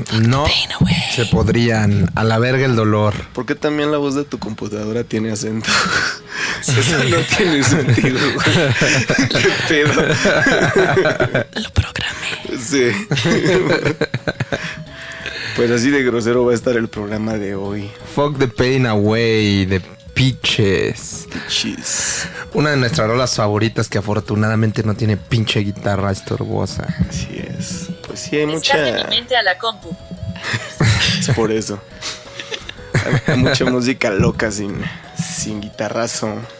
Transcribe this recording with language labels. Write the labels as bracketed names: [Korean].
[Spanish] No se podrían. A la verga el dolor. ¿Por qué también la voz de tu computadora tiene acento? Eso no tiene sentido. ¿Qué pedo? Lo programé. Sí. Pues así de grosero va a estar el programa de hoy. [English] Fuck the pain away, the pitches. Pitches. [Spanish] Una de nuestras rolas favoritas que afortunadamente no tiene pinche guitarra estorbosa. Así es. Pues sí, hay mucha... Está en mi mente a la compu. Es por eso. Hay mucha música loca sin guitarrazo.